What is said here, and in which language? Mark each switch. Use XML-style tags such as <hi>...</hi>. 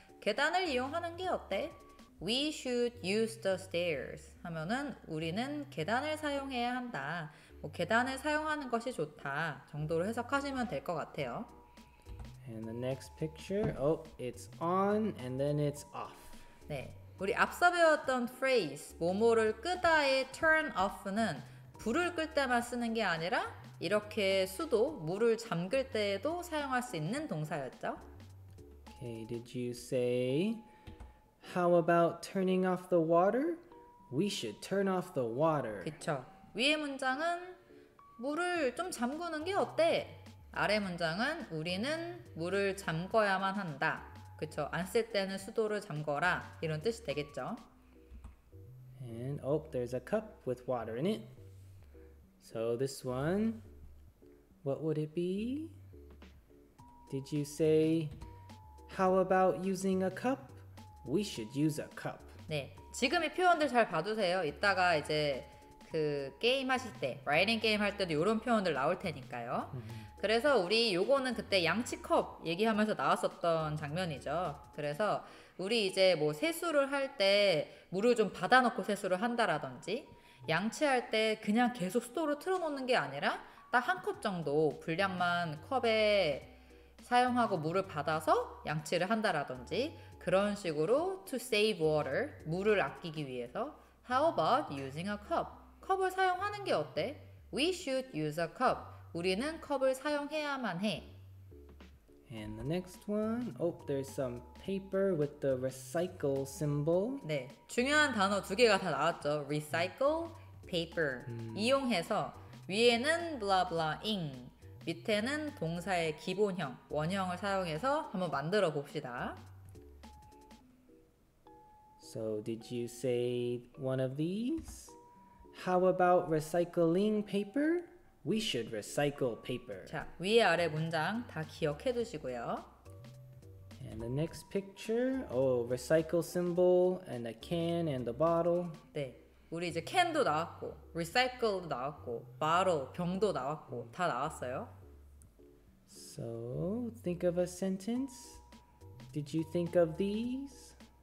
<ko>계단을 이용하는 게 어때?</ko> <en>We should use the stairs.</en> <ko>하면은 우리는 계단을 사용해야 한다. 뭐 계단을 사용하는 것이 좋다 정도로 해석하시면 될 것 같아요.</ko> <en>And the next picture, oh, it's on and then it's off.</en> <ko>네, 우리 앞서 배웠던 phrase, 뭐뭐를 끄다의 turn off는 불을 끌 때만 쓰는 게 아니라 이렇게 수도, 물을 잠글 때에도 사용할 수 있는 동사였죠.</ko> <en>Okay, did you say, how about turning off the water? We should turn off the water.</en> <ko>그쵸. 위의 문장은 물을 좀 잠그는 게 어때? 아래 문장은 우리는 물을 잠궈야만 한다. 그쵸, 안 쓸 때는 수도를 잠궈라. 이런 뜻이 되겠죠.</ko> <en>And, oh, there's a cup with water in it. So this one, what would it be? Did you say, how about using a cup? We should use a cup.</en> <ko>네, 지금 이 표현들 잘 봐주세요. 이따가 이제 그 게임 하실 때 라이딩 게임 할 때도 이런 표현들 나올 테니까요. 그래서 우리 요거는 그때 양치컵 얘기하면서 나왔었던 장면이죠. 그래서 우리 이제 뭐 세수를 할 때 물을 좀 받아놓고 세수를 한다라든지 양치할 때 그냥 계속 수도를 틀어놓는 게 아니라 딱 한 컵 정도 분량만 컵에 사용하고 물을 받아서 양치를 한다라든지 그런 식으로</ko> <en>to save water,</en> <ko>물을 아끼기 위해서</ko> <en>How about using a cup?</en> <ko>컵을 사용하는 게 어때?</ko> <en>We should use a cup.</en> <ko>우리는 컵을 사용해야만 해.</ko> <en>And the next one. Oh, there's some paper with the recycle symbol.</en> <ko>네, 중요한 단어 두 개가 다 나왔죠. Recycle, paper. 이용해서 위에는 blah blah ing, 밑에는 동사의 기본형, 원형을 사용해서 한번 만들어 봅시다.</ko> <en>So, did you say one of these? How about recycling paper? We should recycle paper.</en> <ko>자, 위에 아래 문장 다 기억해 두시고요.</ko> <en>And the next picture, oh, recycle symbol and a can and a bottle.</en> <ko>네, 우리 이제 캔도 나왔고, recycle도 나왔고, bottle, 병도 나왔고, 다 나왔어요.</ko> <en>So, think of a sentence. Did you think of these?</en>